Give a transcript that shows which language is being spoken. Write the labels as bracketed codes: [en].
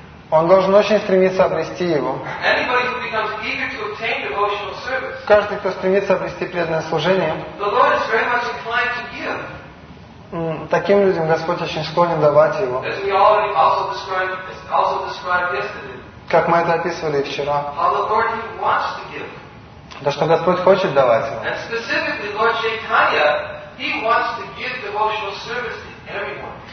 [ru] Он должен очень стремиться обрести его. [en] Anybody who becomes eager to obtain devotional service. [ru] Каждый, кто стремится обрести преданное служение. [en] The Lord is very much inclined to give. [ru] Таким людям Господь очень склонен давать его. [en] As we already also described yesterday. [ru] Как мы это описывали вчера. [en] How the Lord wants to give. [ru] Да, что Господь хочет давать его. [en] And specifically, Lord Chaitanya, he wants to give devotional service to everyone.